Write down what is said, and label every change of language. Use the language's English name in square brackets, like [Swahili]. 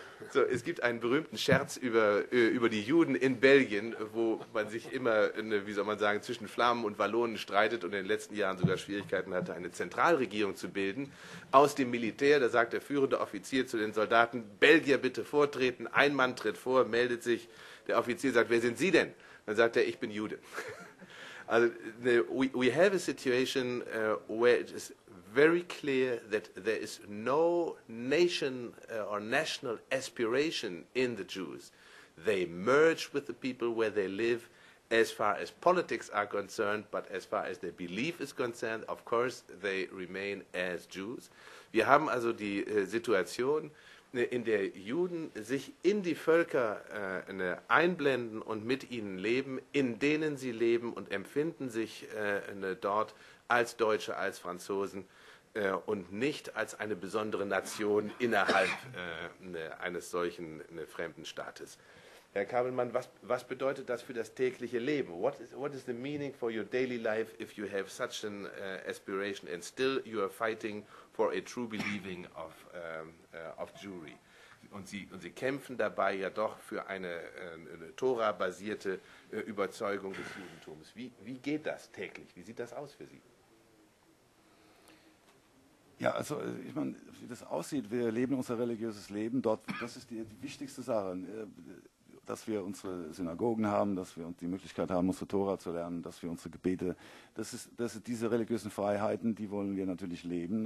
[German] So, es gibt einen berühmten Scherz über die Juden in Belgien, wo man sich immer, wie soll man sagen, zwischen Flammen und Wallonen streitet und in den letzten Jahren sogar Schwierigkeiten hatte, eine Zentralregierung zu bilden. Aus dem Militär, da sagt der führende Offizier zu den Soldaten, Belgier bitte vortreten, ein Mann tritt vor, meldet sich. Der Offizier sagt, wer sind Sie denn? Dann sagt er, ich bin Jude. [English] Also, we have a situation where it is very clear that there is no nation or national aspiration in the Jews. They merge with the people where they live as far as politics are concerned, but as far as their belief is concerned, of course, they remain as Jews. [German] Wir haben also die Situation, in der Juden sich in die Völker einblenden und mit ihnen leben, in denen sie leben und empfinden sich dort als Deutsche, als Franzosen, und nicht als eine besondere Nation innerhalb eines solchen fremden Staates. Herr Kabelmann, was bedeutet das für das tägliche Leben? [English] What is the meaning for your daily life if you have such an aspiration and still you are fighting for a true believing of Jewry? [German] Und Sie kämpfen dabei ja doch für eine Tora-basierte Überzeugung des Judentums. Wie geht das täglich? Wie sieht das aus für Sie? Ja, also ich meine, wie das aussieht, wir leben unser religiöses Leben dort, das ist die wichtigste Sache, dass wir unsere Synagogen haben, dass wir die Möglichkeit haben, unsere Tora zu lernen, dass wir unsere Gebete, das ist diese religiösen Freiheiten, die wollen wir natürlich leben.